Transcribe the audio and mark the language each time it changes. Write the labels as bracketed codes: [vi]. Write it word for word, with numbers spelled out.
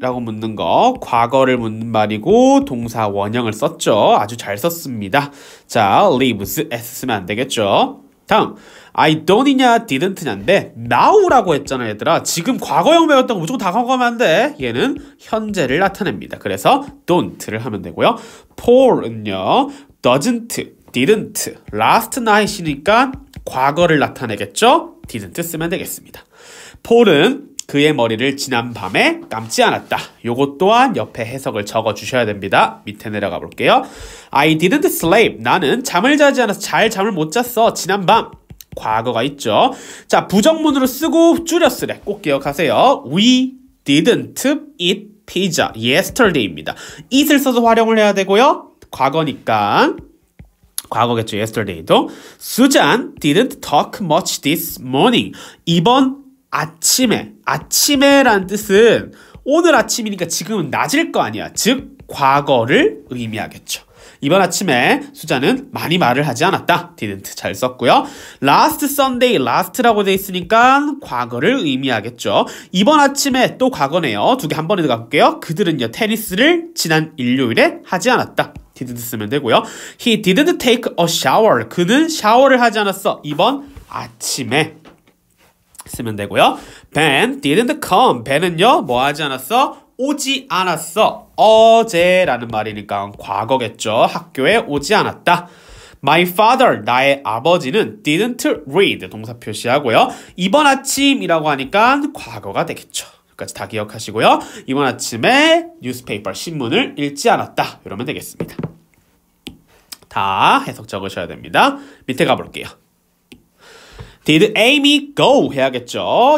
[ko] 라고 묻는 거 과거를 묻는 말이고 동사 원형을 썼죠. 아주 잘 썼습니다. 자, leaves s 쓰면 안 되겠죠. 다음 I don't이냐 didn't냐인데 now라고 했잖아 얘들아. 지금 과거형 배웠다고 무조건 다 과거하면 안 돼. 얘는 현재를 나타냅니다. 그래서 don't를 하면 되고요. Paul은요 doesn't, didn't, last night이니까 과거를 나타내겠죠. didn't 쓰면 되겠습니다. Paul은 그의 머리를 지난 밤에 감지 않았다. 요것 또한 옆에 해석을 적어주셔야 됩니다. 밑에 내려가 볼게요. [en] I didn't sleep. [ko] 나는 잠을 자지 않아서 잘 잠을 못 잤어. 지난 밤. 과거가 있죠. 자, 부정문으로 쓰고 줄여 쓰래. 꼭 기억하세요. [en] We didn't eat pizza yesterday입니다. [ko] eat을 써서 활용을 해야 되고요. 과거니까. 과거겠죠. yesterday도. [en] Susan didn't talk much this morning. [ko] 이번 아침에, 아침에란 뜻은 오늘 아침이니까 지금은 낮일 거 아니야. 즉 과거를 의미하겠죠. 이번 아침에 수자는 많이 말을 하지 않았다. didn't 잘 썼고요. last Sunday, last라고 돼 있으니까 과거를 의미하겠죠. 이번 아침에 또 과거네요. 두 개 한 번에 들어갈게요. 그들은요 테니스를 지난 일요일에 하지 않았다. didn't 쓰면 되고요. [en] He didn't take a shower. [ko] 그는 샤워를 하지 않았어. 이번 아침에. 쓰면 되고요. [en] Ben didn't come. [ko] Ben은요 뭐 하지 않았어? 오지 않았어. 어제라는 말이니까 과거겠죠. 학교에 오지 않았다. [en] My father, [ko] 나의 아버지는 [en] didn't read. [ko] 동사 표시하고요. 이번 아침이라고 하니까 과거가 되겠죠. 여기까지 다 기억하시고요. 이번 아침에 뉴스페이퍼 신문을 읽지 않았다. 이러면 되겠습니다. 다 해석 적으셔야 됩니다. 밑에 가볼게요. [en] Did Amy go? [ko] 해야겠죠.